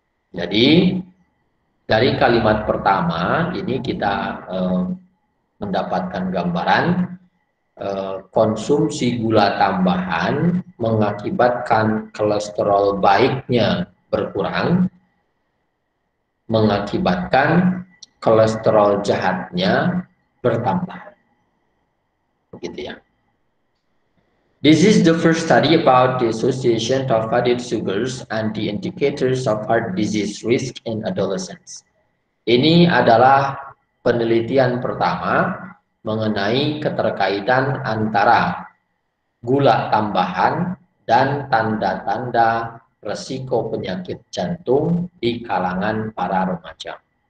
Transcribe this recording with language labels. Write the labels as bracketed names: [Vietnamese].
[Indonesian] Jadi dari kalimat pertama ini kita mendapatkan gambaran konsumsi gula tambahan mengakibatkan kolesterol baiknya berkurang, mengakibatkan kolesterol jahatnya bertambah. Begitu ya. [English] This is the first study about the association of added sugars and the indicators of heart disease risk in adolescents. [Indonesian] Ini adalah penelitian pertama mengenai keterkaitan antara gula tambahan dan tanda-tanda resiko penyakit jantung di kalangan para remaja.